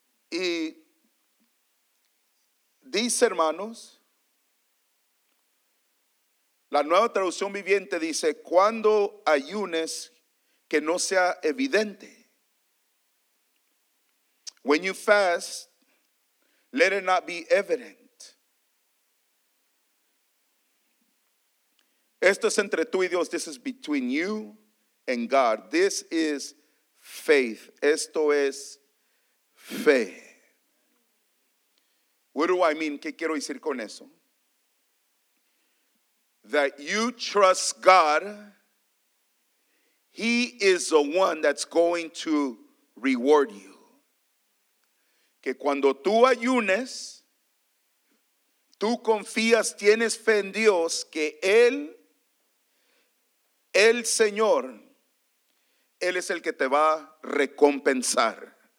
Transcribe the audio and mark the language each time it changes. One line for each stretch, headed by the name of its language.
Spanish: Y dice, hermanos, la nueva traducción viviente dice, cuando ayunes que no sea evidente.
English: When you fast, let it not be evident.
Spanish: Esto es entre tú y Dios. This is between you and God.
English: This is faith. Esto es fe.
Spanish: What do I mean? ¿Qué quiero decir con eso?
English: That you trust God, He is the one that's going to reward you.
Spanish: Que cuando tú ayunes, tú confías, tienes fe en Dios, que Él, el Señor, Él es el que te va a recompensar.